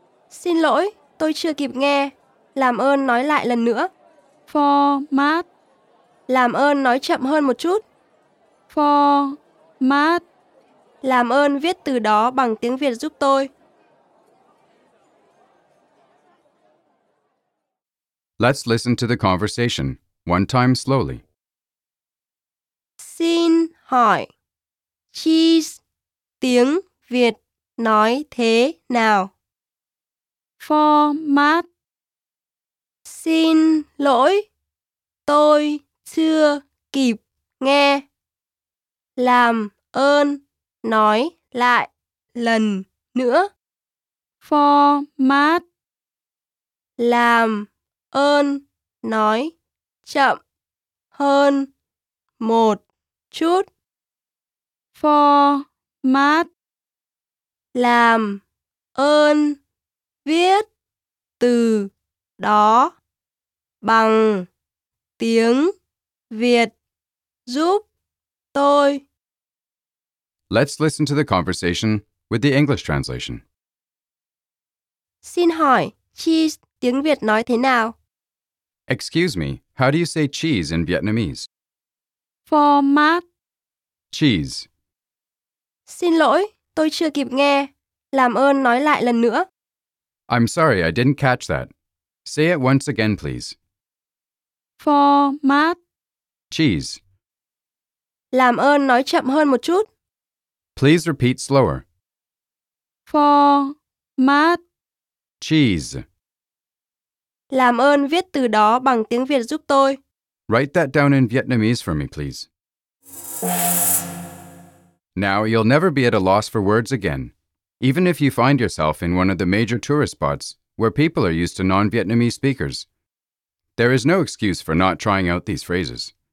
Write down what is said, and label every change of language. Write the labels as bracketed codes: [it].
[vi] Xin lỗi, tôi chưa kịp nghe. Làm ơn nói lại lần nữa. Format. Làm ơn nói chậm hơn một chút. Format. Làm ơn viết từ đó bằng tiếng Việt giúp tôi. [en] Let's listen to the conversation one time slowly. [vi] Xin hỏi, cheese tiếng Việt nói thế nào? Format. Xin lỗi, tôi chưa kịp nghe. Làm ơn nói lại lần nữa. Format. Làm ơn nói chậm hơn một chút. Format. Làm ơn viết từ đó bằng tiếng Việt giúp tôi. [en] Let's listen to the conversation with the English translation. [vi] Xin hỏi, cheese tiếng Việt nói thế nào? [en] Excuse me, how do you say cheese in Vietnamese? Format. Cheese. [vi] Xin lỗi, tôi chưa kịp nghe. Làm ơn nói lại lần nữa. [en] I'm sorry, I didn't catch that. Say it once again, please. Format. Cheese. [vi] Làm ơn nói chậm hơn một chút. [en] Please repeat slower. Format. Cheese. [vi] Làm ơn viết từ đó bằng tiếng Việt giúp tôi. [en] Write that down in Vietnamese for me, please. Now you'll never be at a loss for words again, even if you find yourself in one of the major tourist spots where people are used to non-Vietnamese speakers. There is no excuse for not trying out these phrases.